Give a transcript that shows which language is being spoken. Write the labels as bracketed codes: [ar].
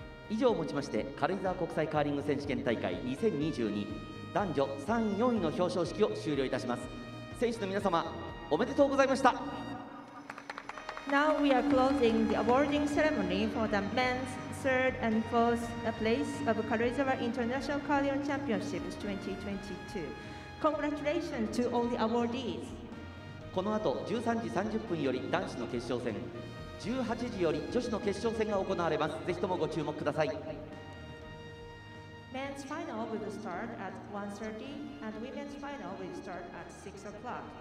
[ja] 以上をもちまして軽井沢国際カーリング選手権大会2022男女3位4位の表彰式を終了いたします。選手の皆様おめでとうございました。 [en] Now we are closing the awarding ceremony for the men's third and fourth place of 軽井沢 International Curling Championships 2022. Congratulations to all the awardees. [ja] この後13時30分より男子の決勝戦、18時より女子の決勝戦が行われます。ぜひともご注目ください。 [en] Men's final will start at 1:30 and women's final will start at 6 o'clock.